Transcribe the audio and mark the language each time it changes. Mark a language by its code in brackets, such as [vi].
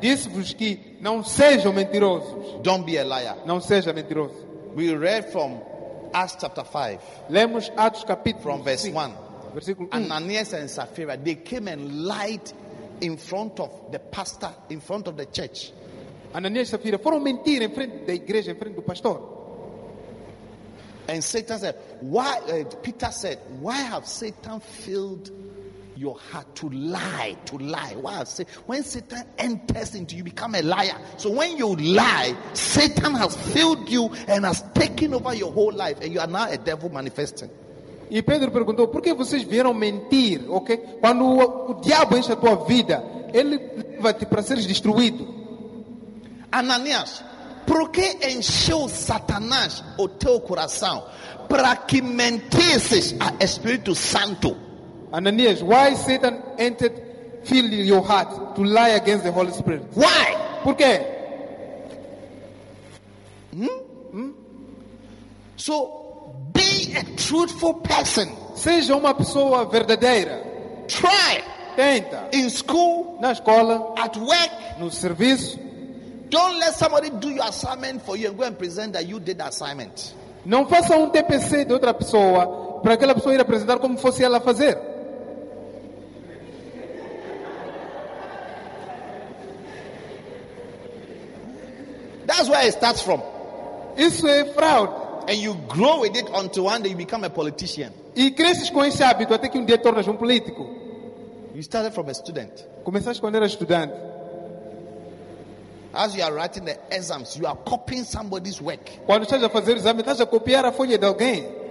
[pt] Disse-vos que não sejam mentirosos. [en] Don't be a liar. [pt] Não seja mentiroso. [en] We read from Acts chapter 5. [pt] Lemos Atos capítulo [en] from verse 5. [pt] 1. [en] Ananias and Sapphira, they came and lied in front of the pastor, in front of the church. [pt] Ananias e Sapphira foram mentir em frente da igreja, em frente do pastor. [en] And Satan said, Peter said, why have Satan filled your heart to lie, to lie? Why have Satan, when Satan enters into you, become a liar. So when you lie, Satan has filled you and has taken over your whole life, and you are now a devil manifesting. [pt] E Pedro perguntou, por que vocês vieram mentir, ok? Quando o diabo enche a tua vida, ele leva-te para seres destruído. Ananias, por que encheu Satanás o teu coração? Para que mentisses a Espírito Santo. [en] Ananias, why Satan entered, filled your heart to lie against the Holy Spirit? Why? [pt] Por quê? [en] So, a truthful person. [pt] Seja uma pessoa verdadeira. [en] Try. [pt] Tenta. [en] In school. [pt] Na escola. [en] At work. [pt] No serviço. [en] Don't let somebody do your assignment for you and go and present that you did the assignment. [pt] Não faça TPC de outra pessoa para aquela pessoa ir apresentar como fosse ela fazer. [en] That's where it starts from. [pt] Isso é fraude. [en] And you grow with it until one day you become a politician. [pt] E cresces com esse hábito até que dia tornas político. [en] You started from a student. [pt] Começaste quando era estudante. [en] As you are writing the exams, you are copying somebody's work. [pt] Quando estás a fazer exame, estás a copiar a folha de alguém.